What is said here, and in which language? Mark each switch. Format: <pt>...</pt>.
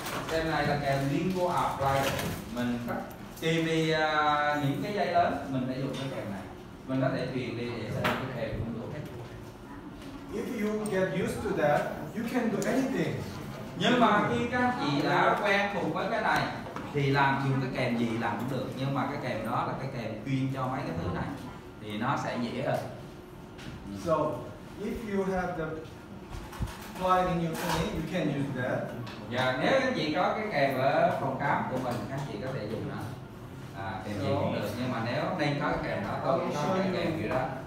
<vi>Kèm này là kèm liên vô hợp flyer. Mình khi đi những cái dây lớn mình sẽ dùng cái kèm này. Mình có thể truyền đi để sẽ được cái kèm cung lưỡi.</vi> <en>If you get used to that, you can do anything.</en> <vi>Nhưng mà khi các chị đã quen thuộc với cái này thì làm dùng cái kèm gì làm cũng được. Nhưng mà cái kèm đó là cái kèm chuyên cho mấy cái thứ này thì nó sẽ dễ hơn.</vi> <en>So if you have the flyer in your clinic, you can use that.</en> <vi>Yeah, nếu các chị có cái kèm ở phòng khám của mình, các chị có thể dùng nó. Kèm gì cũng được. Nhưng mà nếu nên có cái kèm đó, tôi cũng có cái kèm kiểu đó.</vi>